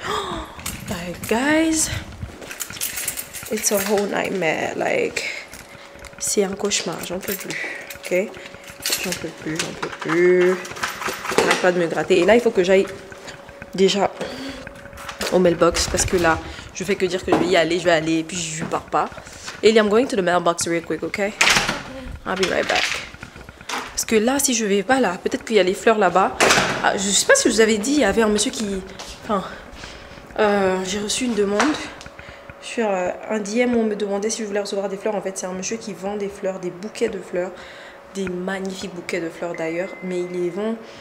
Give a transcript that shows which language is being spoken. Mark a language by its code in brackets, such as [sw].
[en] Oh, guys, it's a whole nightmare. [fr] Like, c'est un cauchemar. J'en peux plus. Ok? J'en peux plus. J'arrête pas de me gratter. Et là, il faut que j'aille déjà au mailbox parce que là, je fais que dire que je vais y aller, et puis je pars pas. [en] Elie, I'm going to the mailbox real quick, okay? I'll be right back. [fr] Parce que là, si je vais pas là, peut-être qu'il y a les fleurs là-bas. Ah, je sais pas si je vous avais dit, il y avait un monsieur qui... Enfin, j'ai reçu une demande sur un DM où on me demandait si je voulais recevoir des fleurs. En fait, c'est un monsieur qui vend des fleurs, des bouquets de fleurs. Des magnifiques bouquets de fleurs d'ailleurs. Mais il les vend...